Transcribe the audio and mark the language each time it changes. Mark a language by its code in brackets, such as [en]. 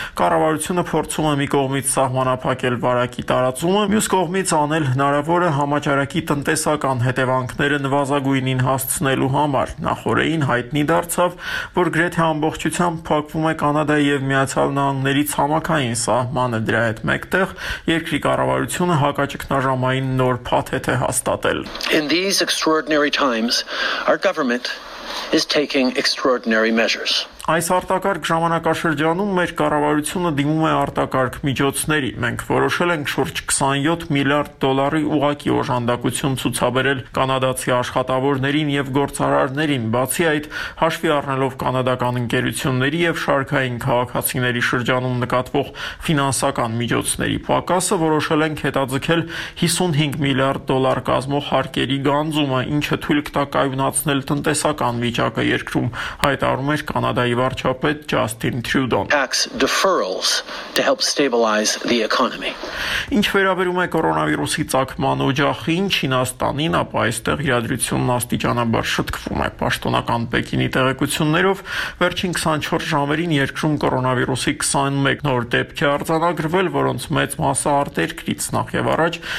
[hy] կառավարությունը փորձում է մի կողմից սահմանափակել վարակի տարածումը, մյուս կողմից անել հնարավորը համաճարակի տնտեսական հետևանքները նվազագույնին հասցնելու համար։ Նախորդին հայտնի դարձավ, որ գրեթե ամբողջությամբ փակվում է Կանադայի և Միացյալ Նահանգների ցամաքային սահմանը, դրա հետ մեկտեղ երկրի կառավարությունը հակաճգնաժամային նոր փաթեթ է հաստատել։ [en] In these extraordinary times, our government is taking extraordinary measures. [hy] Այս արտակարգ ժամանակաշրջանում մեր կառավարությունը դիմում է արտակարգ միջոցների։ Մենք որոշել ենք շուրջ $27 միլիարդ ուղղակի օժանդակություն ցուցաբերել կանադացի աշխատավորներին և գործարարներին, բացի այդ, հաշվի առնելով կանադական ընկերությունների և շարքային քաղաքացիների շրջանում նկատվող ֆինանսական միջոցների պակասը, որոշել ենք հետաձգել $55 միլիարդ կազմող հարկերի գանձումը, ինչը թույլ կտակայունացնել տնտեսական վիճակը երկրում, հայտարարում էր Կանադա վարչապետ Ջասթին Թրյուդոն։ [en] Tax deferrals to help stabilize the economy. [hy] Ինչ վերաբերում է կորոնավիրուսի ծագման օջախին Չինաստանին, ապա այստեղ իրադրությունն աստիճանաբար շտկվում է։ Պաշտոնական Պեկինի տեղեկություններով վերջին 24 ժամերին երկրում կորոնավիրուսի 21 նոր դեպք է արձանագրվել, որոնց մեծ մասը արտերկրից նախ եւ առաջ